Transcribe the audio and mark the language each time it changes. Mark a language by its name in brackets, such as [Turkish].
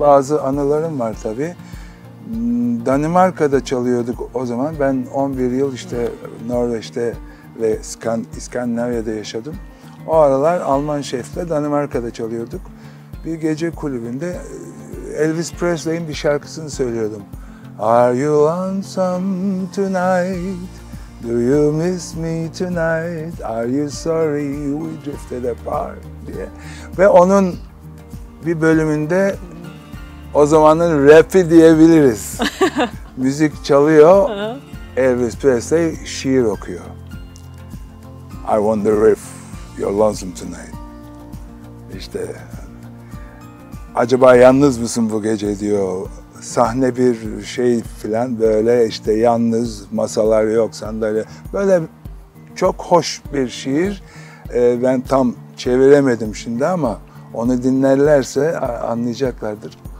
[Turkish] Bazı anılarım var tabii. Danimarka'da çalıyorduk o zaman. Ben 11 yıl işte Norveç'te ve İskandinavya'da yaşadım. O aralar Alman şefle Danimarka'da çalıyorduk. Bir gece kulübünde Elvis Presley'in bir şarkısını söylüyordum. [English] Are you lonesome tonight? Do you miss me tonight? Are you sorry we drifted apart? [Turkish] Diye. Ve onun bir bölümünde o zamanın rapi diyebiliriz. Müzik çalıyor, Elvis Presley şiir okuyor. [English] I wonder if you're lonesome tonight. [Turkish] İşte acaba yalnız mısın bu gece diyor. Sahne bir şey filan böyle işte yalnız, masalar yok, sandalye. Böyle çok hoş bir şiir. Ben tam çeviremedim şimdi ama onu dinlerlerse anlayacaklardır.